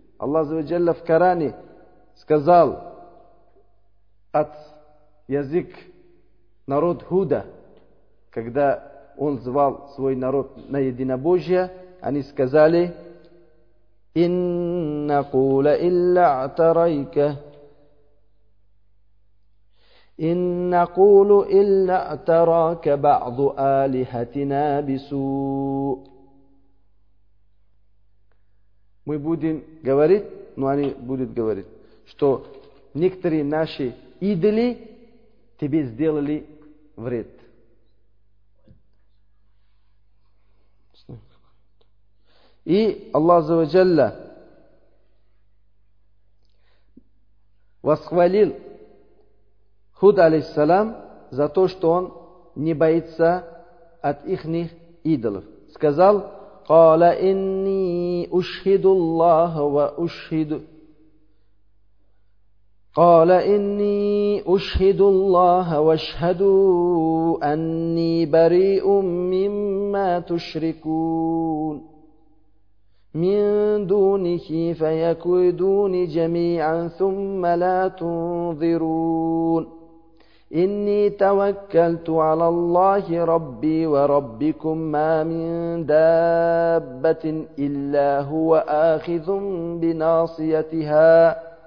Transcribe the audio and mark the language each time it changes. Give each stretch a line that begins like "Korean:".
Russian: Аллах Аз-Джалла в Коране сказал от язык народ Худа, когда он звал свой народ на единобожие, они сказали:
Arabic: «Инна кула илля атарайка». إن نقول إلا أتراك بعض آلهتنا بسوء.
Russian: Мы будем говорить, но они будут говорить, что некоторые наши идоли тебе сделали вред. И Аллах Азза ва Джалла восхвалил Худ алейхиссалам за то, что он не боится от ихних идолов. Сказал:
Arabic: «Кала инни ушхиду Аллаха ва ушхиду». «Кала инни ушхиду Аллаха ва ушхаду анни бариум мимма тушрикун. Мин дунихи фаякуйдуни джамиан сумма ла тунзирун. إني توكلت على الله ربي وربكم ما من دابة إلا هو آخذ بناصيتها.